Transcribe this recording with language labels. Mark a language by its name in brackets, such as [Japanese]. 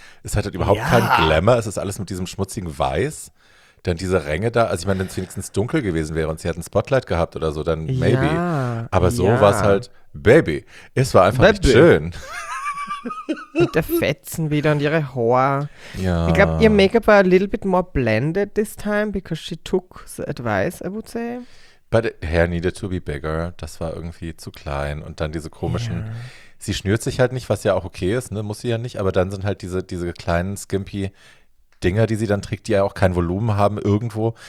[German] Es hat halt überhaupt keinen Glamour, es ist alles mit diesem schmutzigen Weiß. Dann diese Ränge da, also ich meine, wenn es wenigstens dunkel gewesen wäre und sie hätten ein Spotlight gehabt oder so, dann maybe. Ja, aber so war es halt, Baby, es war einfach nicht schön. Mit der Fetzen wieder und ihre Haare. Ja. Ich glaube, ihr Make-up war [English] a little bit more blended this time, because she took the advice, I would say. But hair needed to be bigger. [German] Das war irgendwie zu klein. Und dann diese komischen, sie schnürt sich halt nicht, was ja auch okay ist, ne? Muss sie ja nicht. Aber dann sind halt diese kleinen skimpy Dinger, die sie dann trägt, die ja auch kein Volumen haben irgendwo.